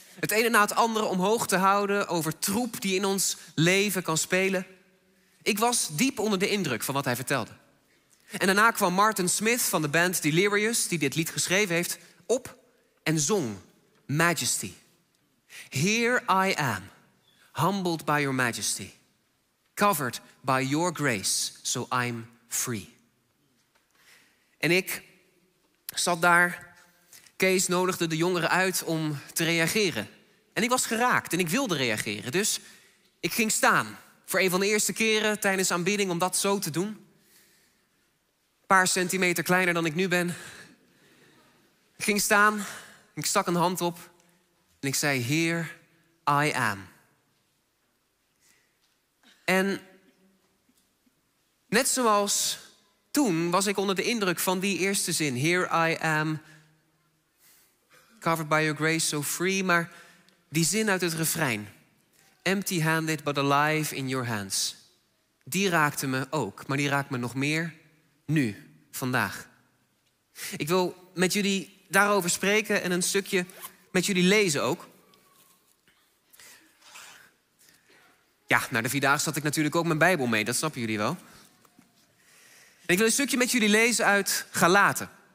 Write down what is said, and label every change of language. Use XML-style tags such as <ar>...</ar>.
<nl>Het ene na het andere omhoog te houden over troep die in ons leven kan spelen. Ik was diep onder de indruk van wat hij vertelde. En daarna kwam Martin Smith van de band Delirious, die dit lied geschreven heeft, op en zong Majesty.</nl> <en>Here I am, humbled by your majesty. Covered by your grace, so I'm free.</en> <nl>En ik zat daar. Kees nodigde de jongeren uit om te reageren. En ik was geraakt en ik wilde reageren. Dus ik ging staan voor een van de eerste keren tijdens aanbidding om dat zo te doen. Een paar centimeter kleiner dan ik nu ben. Ik ging staan, ik stak een hand op en ik zei,</nl> <en>here I am.</en> <nl>En net zoals toen was ik onder de indruk van die eerste zin.</nl> <en>Here I am, covered by your grace, so free.</en> <nl>Maar die zin uit het refrein.</nl> <en>Empty handed, but alive in your hands.</en> <nl>Die raakte me ook, maar die raakt me nog meer nu, vandaag. Ik wil met jullie daarover spreken en een stukje met jullie lezen ook. Ja, naar de Vierdaagse had ik natuurlijk ook mijn Bijbel mee, dat snappen jullie wel. En ik wil een stukje met jullie lezen uit Galaten.</nl>